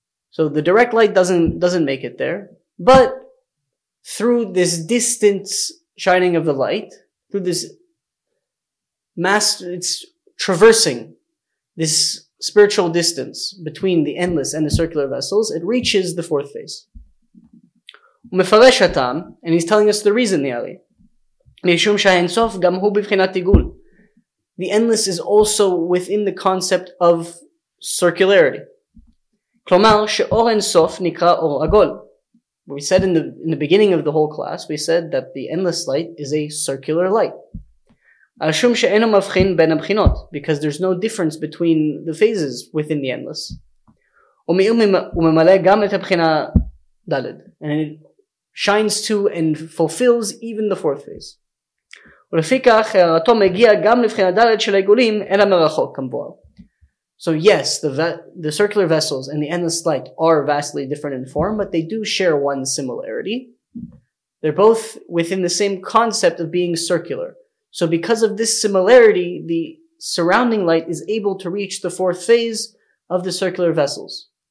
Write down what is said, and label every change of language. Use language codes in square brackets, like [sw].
[en] So the direct light doesn't make it there. But through this distant shining of the light, through this mass, it's traversing this spiritual distance between the endless and the circular vessels, it reaches the fourth phase. Umefareshatam, and he's telling us the reason, the Ari. [he] משום שהאין סוף גם הוא בבחינת עיגול. [en] The endless is also within the concept of circularity. [he] כלומר, שאור אין סוף נקרא אור עגול. [en] We said in the beginning of the whole class, we said that the endless light is a circular light. [he] על שום שאינו מבחין בין הבחינות, [en] because there's no difference between the phases within the endless. [he] וממלא גם את הבחינה דלת. [en] And it shines to and fulfills even the fourth phase. [he] ולפיכך הערתו מגיע גם לבחינה דלת של העיגולים אלא מרחוק כמבואר. [en] So yes, the circular vessels and the endless light are vastly different in form, but they do share one similarity. They're both within the same concept of being circular. So because of this similarity, the surrounding light is able to reach the fourth phase of the circular vessels.